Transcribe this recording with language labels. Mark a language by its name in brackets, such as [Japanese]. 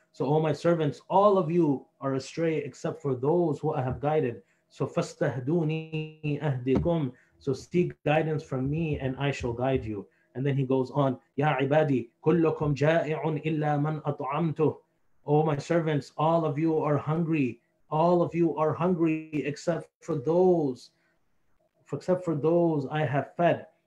[English] So, O my servants, all of you are astray except for those who I have guided. [Arabic] So, فَاسْتَهْدُونِي أَهْدِكُمْ. [English] So seek guidance from me and I shall guide you. And then he goes on, [Arabic] Ya ibadi, kullukum ja'i'un illa man at'amtuh. [English] Oh my servants, all of you are hungry. All of you are hungry except for those I have fed.